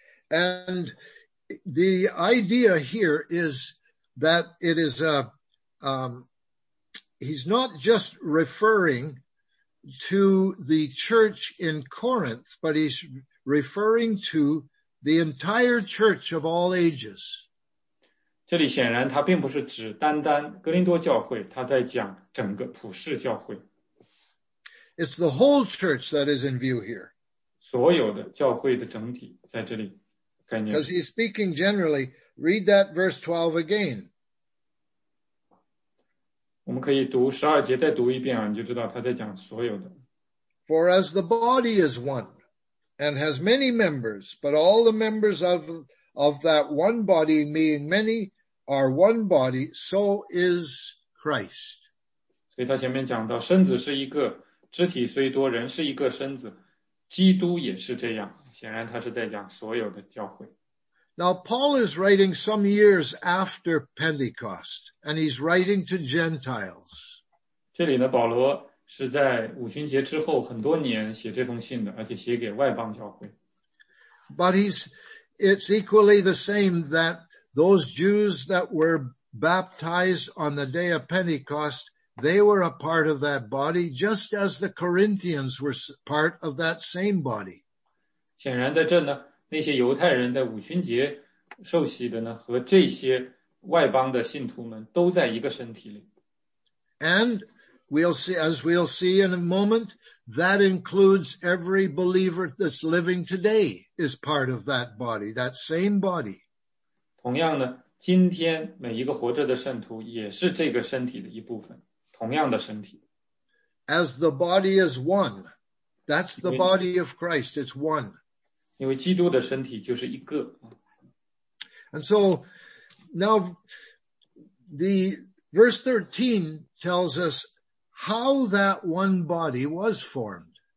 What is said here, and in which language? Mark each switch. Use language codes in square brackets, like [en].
[en] And the idea here is that it is he's not just referring to the church in Corinth, but he's referring to the entire church of all ages. [zh] 这里显然他并不是指单单哥林多教会，他在讲整个普世教会。 [en] It's the whole church that is in view here. [zh] 所有的教会的整体在这里。 [en] Because he's speaking generally, read that verse 12 again. [zh] 我们可以读十二节再读一遍啊，你就知道他在讲所有的。 [en] For as the body is one, and has many members, but all the members of that one body, being many, are one body, so is Christ. [zh] 所以他前面讲到，身子是一个，肢体虽多，人是一个身子，基督也是这样。显然他是在讲所有的教会。 [en] Now, Paul is writing some years after Pentecost, and he's writing to Gentiles. [zh] 这里呢，保罗是在五旬节之后很多年写这封信的，而且写给外邦教会。 [en] But it's equally the same that those Jews that were baptized on the day of Pentecost, they were a part of that body, just as the Corinthians were part of that same body. [zh] 显然在这呢那些犹太人在五旬节受洗的呢和这些外邦的信徒们都在一个身体里。 [en] And we'll see in a moment, that includes every believer that's living today is part of that body, that same body. [zh] 同样呢今天每一个活着的圣徒也是这个身体的一部分同样的身体。 [en] As the body is one, that's the body of Christ, it's one. [zh] 因为基督的身体就是一个。 [en] And so, now, the verse 13 tells us how that one body was formed.